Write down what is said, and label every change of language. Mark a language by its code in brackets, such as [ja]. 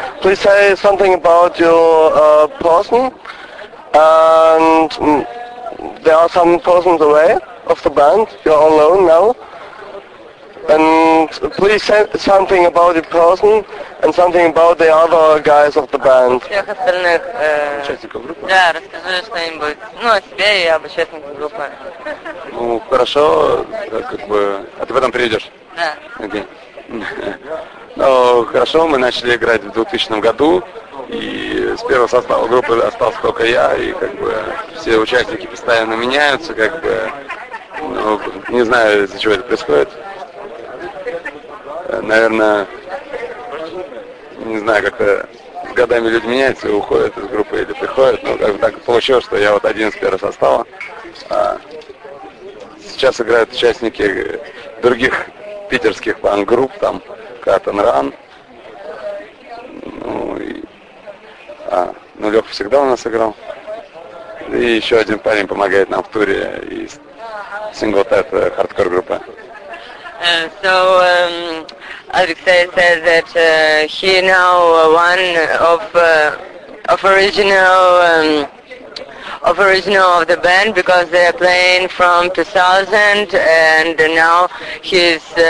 [en] Please say something about your person. And there are some persons away of the band. You're alone now. And please say something about the person and something about the other guys of the band. [ru] Всех остальных участников группы. Да, расскажи что-нибудь. Ну, о себе и об участниках группы. Ну, хорошо, как бы. А ты потом приедешь? Да. Окей. Ну, хорошо, мы начали играть в 2000 году. И с первого состава группы остался только я, и как бы все участники постоянно меняются, как бы. Ну, не знаю, из-за чего это происходит. Наверное, не знаю, как-то с годами люди меняются и уходят из группы или приходят, но как бы так получилось, что я вот один из первого состава. А сейчас играют участники других питерских панк-групп, там, Cut and Run. Ну, Лёха всегда у нас играл. И еще один парень помогает нам в туре из Singletet хардкор группы. [en] So, Alexei said that he now one of original of the band because they are playing from 2000 and now he's